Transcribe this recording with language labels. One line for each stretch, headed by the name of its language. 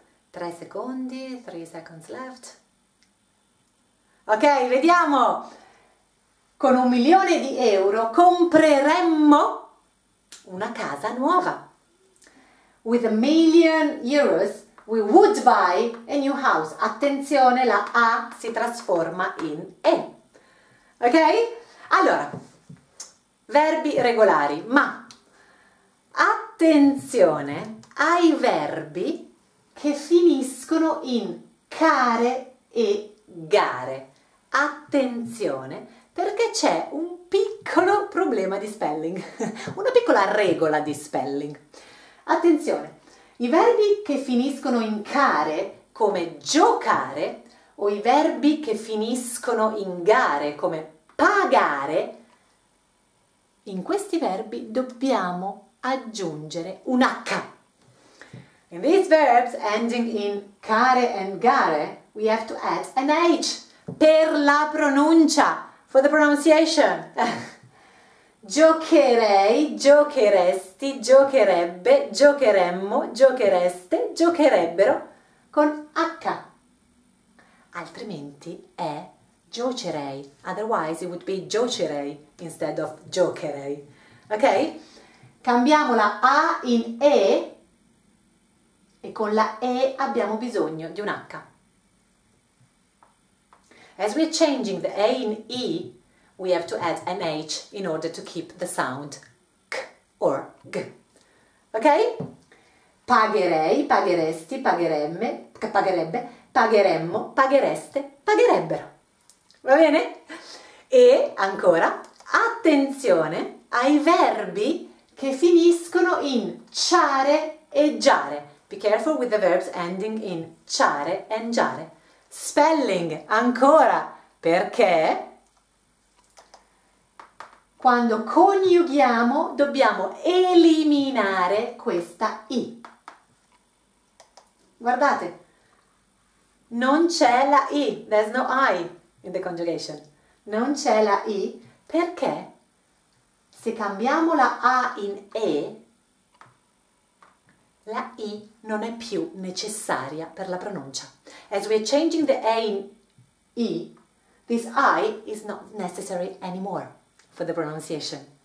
Italian: 3 secondi,
English: 3 seconds left.
Italian: Ok, vediamo. Con 1 milione di euro compreremmo una casa nuova.
English: With 1 million euros we would buy a new house.
Italian: Attenzione, la A si trasforma in E. Ok? Allora, verbi regolari, ma attenzione ai verbi che finiscono in care e gare. Attenzione, perché c'è un piccolo problema di spelling, una piccola regola di spelling. Attenzione, i verbi che finiscono in care, come giocare, o i verbi che finiscono in gare, come pagare, in questi verbi dobbiamo aggiungere un H.
English: In these verbs ending in care and gare, we have to add an H
Italian: per la pronuncia,
English: for the pronunciation.
Italian: Giocherei, giocheresti, giocherebbe, giocheremmo, giochereste, giocherebbero con H. Altrimenti è giocerei.
English: Otherwise it would be giocerei instead of giocherei. Ok?
Italian: Cambiamo la A in E e con la E abbiamo bisogno di un H.
English: As we're changing the A in E, we have to add an H in order to keep the sound K or G.
Italian: Ok? Pagherei, pagheresti, pagheremme, pagherebbe, pagheremmo, paghereste, pagherebbero. Va bene? E ancora, attenzione ai verbi che finiscono in ciare e giare.
English: Be careful with the verbs ending in ciare e giare.
Italian: Spelling, ancora, perché quando coniughiamo dobbiamo eliminare questa I. Guardate, non c'è la I,
English: there's no I in the conjugation.
Italian: Non c'è la I perché se cambiamo la A in E, la I non è più necessaria per la pronuncia.
English: As we're changing the A in E, this I is not necessary anymore for the pronunciation.